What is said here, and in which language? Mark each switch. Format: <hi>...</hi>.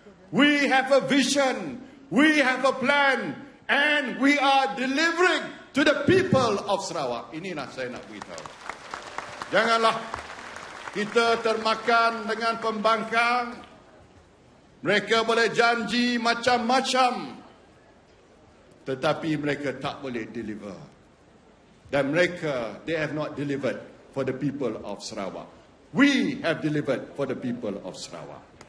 <en>We have a vision, we have a plan, and we are delivering to the people of Sarawak.</en> <ms>Inilah saya nak beritahu. Janganlah kita termakan dengan pembangkang. Mereka boleh janji macam-macam, tetapi mereka tak boleh deliver. Dan mereka,</ms> <en>they have not delivered for the people of Sarawak. We have delivered for the people of Sarawak.</en>